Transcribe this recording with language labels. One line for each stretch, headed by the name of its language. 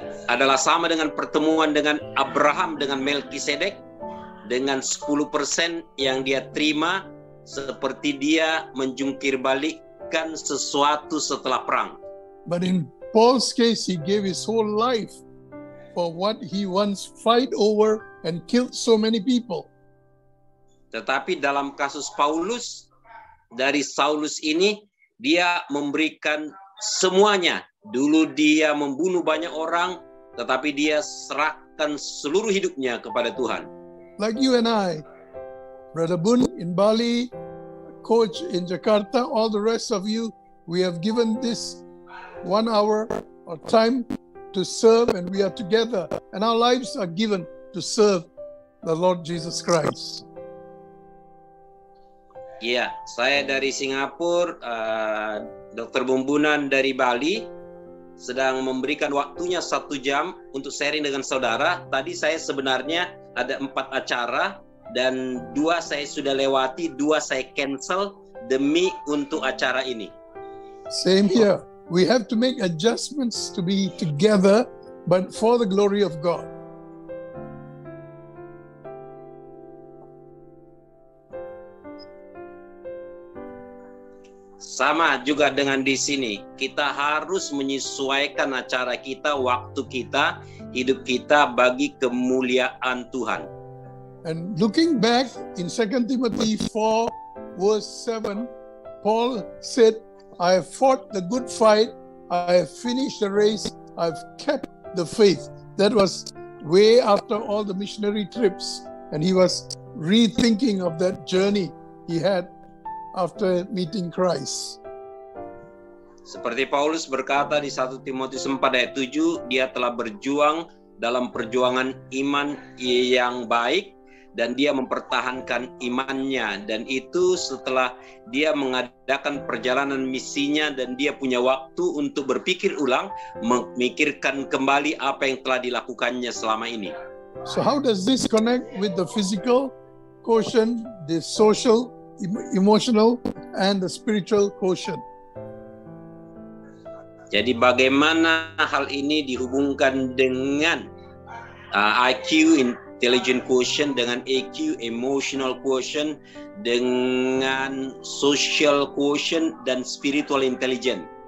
Indonesian: adalah sama dengan pertemuan dengan Abraham dengan Melkisedek dengan 10% yang dia terima seperti dia menjungkirbalikkan sesuatu setelah perang.
English: But in Paul's case, he gave his whole life for what he once fight over and killed so many people.
Indonesian: Tetapi dalam kasus Paulus, dari Saulus ini, dia memberikan semuanya. Dulu dia membunuh banyak orang, tetapi dia serahkan seluruh hidupnya kepada Tuhan.
English: Like you and I, Brother Bun in Bali, Coach in Jakarta, all the rest of you, we have given this 1 hour of time to serve and we are together. And our lives are given to serve the Lord Jesus Christ.
Indonesian: Iya, saya dari Singapura, Dr. Bumbunan dari Bali, sedang memberikan waktunya 1 jam untuk sharing dengan saudara. Tadi saya sebenarnya ada 4 acara, dan 2 saya sudah lewati, 2 saya cancel demi untuk acara ini.
English: Same here. We have to make adjustments to be together, but for the glory of God.
Indonesian: Sama juga dengan di sini, kita harus menyesuaikan acara kita, waktu kita, hidup kita bagi kemuliaan Tuhan.
English: And looking back in 2 Timothy 4 verse 7, Paul said, I have fought the good fight, I have finished the race, I've kept the faith. That was way after all the missionary trips, and he was rethinking of that journey he had after meeting Christ.
Indonesian: Seperti Paulus berkata di 1 Timotius 4 ayat 7, dia telah berjuang dalam perjuangan iman yang baik dan dia mempertahankan imannya, dan itu setelah dia mengadakan perjalanan misinya dan dia punya waktu untuk berpikir ulang, memikirkan kembali apa yang telah dilakukannya selama ini.
English: So how does this connect with the physical quotient, the social, emotional and the spiritual quotient?
Indonesian: Jadi bagaimana hal ini dihubungkan dengan IQ, intelligent quotient, dengan EQ, emotional quotient, dengan social quotient dan spiritual intelligent?